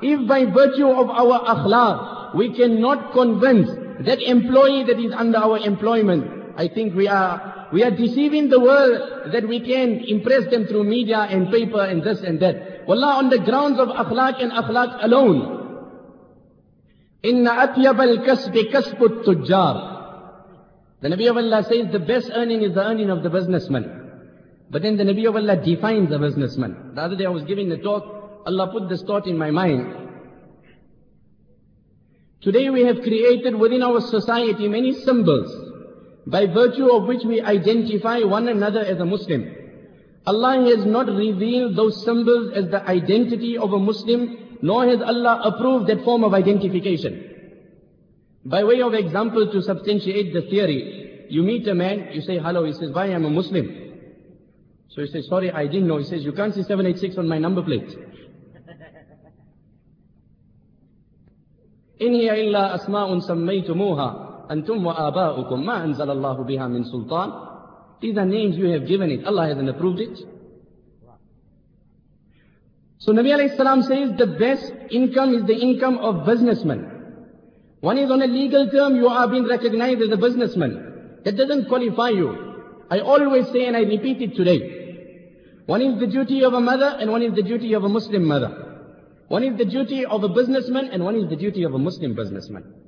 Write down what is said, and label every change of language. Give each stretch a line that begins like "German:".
English: If by virtue of our akhlaq, we cannot convince that employee that is under our employment, I think we are deceiving the world that we can impress them through media and paper and this and that. Wallah, on the grounds of akhlaq and akhlaq alone.
Arabic: إِنَّ أَطْيَبَ الْكَسْبِ كَسْبُ التُّجَّارِ.
English: The Nabi of Allah says the best earning is the earning of the businessman. But then the Nabi of Allah defines a businessman. The other day I was giving the talk, Allah put this thought in my mind. Today we have created within our society many symbols by virtue of which we identify one another as a Muslim. Allah has not revealed those symbols as the identity of a Muslim, nor has Allah approved that form of identification. By way of example, to substantiate the theory, you meet a man, you say hello, he says, why, I'm a Muslim. So he says, sorry, I didn't know. He says, you can't see 786 on my number plate.
Arabic: إِنِّيَ إِلَّا أَسْمَاءٌ سَمَّيْتُمُوهَا أَنْتُمْ وَآبَاؤُكُمْ مَا أَنْزَلَ اللَّهُ بِهَا مِنْ سُلْطَانِ.
English: These are names you have given it. Allah hasn't approved it. So Nabi alayhi salam says the best income is the income of businessmen. One is on a legal term, you are being recognized as a businessman. That doesn't qualify you. I always say and I repeat it today. One is the duty of a mother and one is the duty of a Muslim mother. One is the duty of a businessman and one is the duty of a Muslim businessman.